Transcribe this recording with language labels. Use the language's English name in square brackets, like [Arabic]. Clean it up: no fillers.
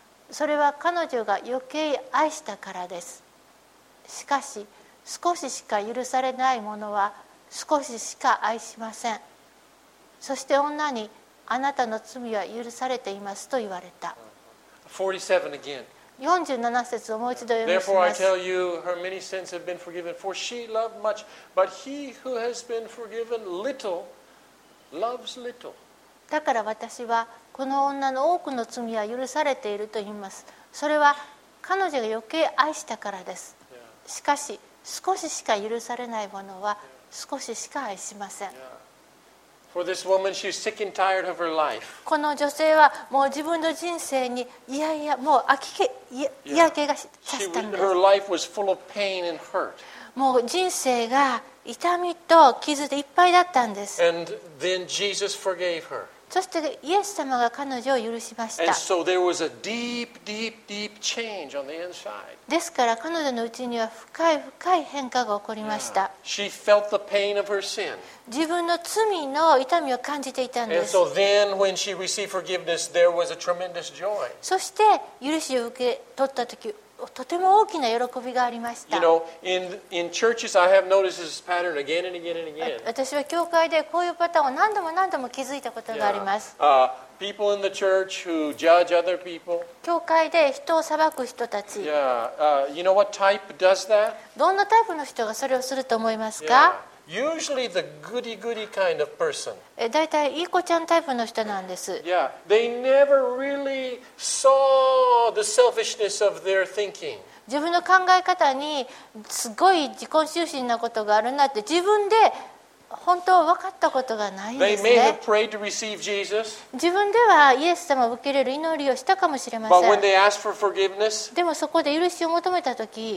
[Japanese] それは彼女が余計愛したからです。しかし少ししか許されないものは少ししか愛しません。そして女に、あなたの罪は許されていますと言われた。 [English] 47 again. [Japanese] 47節をもう一度読みます。 [English] Therefore I tell you, her many sins have been forgiven, for she loved much, but he who has been forgiven little loves little. [Japanese] だから私は、この女の多くの罪は許されていると言います。それは彼女が余計愛したからです。しかし、少ししか許されないものは少ししか愛しません。 [English] For this woman, she's sick and tired of her life. [Japanese] この女性はもう自分の人生にいやいやもう飽きけ嫌気がしたんです。 [English] Her life was full of pain and hurt. [Japanese] もう人生が痛みと傷でいっぱいだったんです。 [English] And then Jesus forgave her. [Japanese] そしてイエス様が彼女を許しました。 [English] And so there was a deep, deep, deep change on the inside. [Japanese] ですから彼女のうちには深い深い変化が起こりました。 Yeah. [English] She felt the pain of her sin. [Japanese] 自分の罪の痛みを感じていたんです。 [English] And so then when she received forgiveness, there was a tremendous joy. [Japanese] そして許しを受け取ったとき、とても大きな喜びがありました。 [English] You know, in churches, I have noticed this pattern again and again and again. [Japanese] 私は教会でこういうパターンを何度も何度も気づいたことがあります。 Yeah. [English] People in the church who judge other people. [Japanese] 教会で人を裁く人たち。 [English] Yeah. You know what type does that? [Japanese] どんなタイプの人がそれをすると思いますか？ [English] Yeah. Usually the goody-goody kind of person. [Japanese] だいたいいい子ちゃんタイプの人なんです。 Yeah. [English] They never really saw the selfishness of their thinking. [Japanese] 自分の考え方にすごい自己中心なことがあるなって自分で本当は分かったことがないんですね。 [English] They may have prayed to receive Jesus. [Japanese] 自分ではイエス様を受け入れる祈りをしたかもしれません。 [English] But when they asked for forgiveness, [Japanese] でもそこで許しを求めたとき、